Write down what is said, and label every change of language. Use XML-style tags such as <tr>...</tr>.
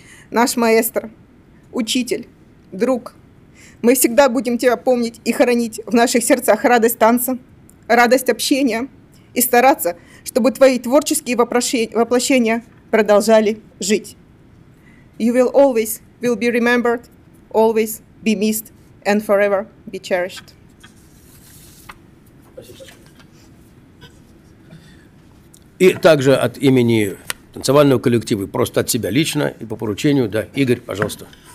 <ru>Наш маэстро, учитель, друг, мы всегда будем тебя помнить и хранить в наших сердцах радость танца, радость общения и стараться, чтобы твои творческие воплощения продолжали жить.</ru> <en>You will always will be remembered, always be missed and forever be cherished.</en> <ru>И также от имени танцевального коллектива, просто от себя лично и по поручению, да, Игорь, пожалуйста.</ru>